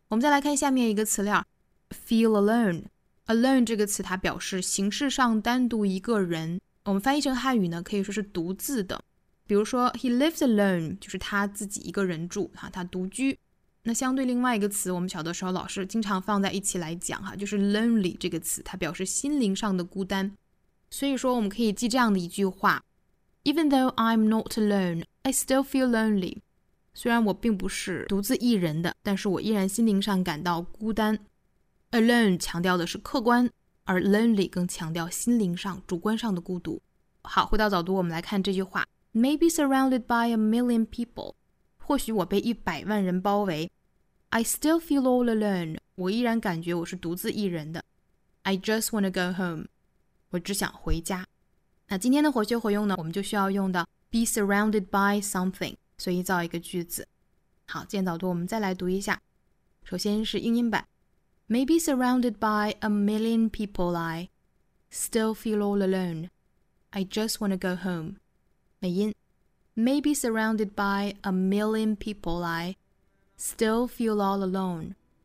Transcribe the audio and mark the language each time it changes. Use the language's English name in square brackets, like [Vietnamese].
[Chinese] 我们再来看下面一个词链 feel alone。alone 这个词它表示形式上单独一个人，我们翻译成汉语呢可以说是独自的，比如说 [English] he lives alone [Chinese] 就是他自己一个人住，他独居。那相对另外一个词，我们小的时候老师经常放在一起来讲，就是 lonely 这个词，它表示心灵上的孤单。所以说我们可以记这样的一句话， [English] Even though I'm not alone, I still feel lonely. [Chinese] 虽然我并不是独自一人的，但是我依然心灵上感到孤单。 Alone 强调的是客观，而 lonely 更强调心灵上主观上的孤独。好，回到早读，我们来看这句话， [English] Maybe surrounded by a million people. [Chinese] 或许我被一百万人包围。 [English] I still feel all alone. [Chinese] 我依然感觉我是独自一人的。 [English] I just want to go home. [Chinese] 我只想回家。那今天的活学活用呢，我们就需要用到 [English] be surrounded by something， [Chinese] 所以造一个句子。好，今天早读我们再来读一下。首先是英音版， [English] Maybe surrounded by a million people I still feel all alone. I just want to go home. [Chinese] 美音， [English] Maybe surrounded by a million people I still feel all alone.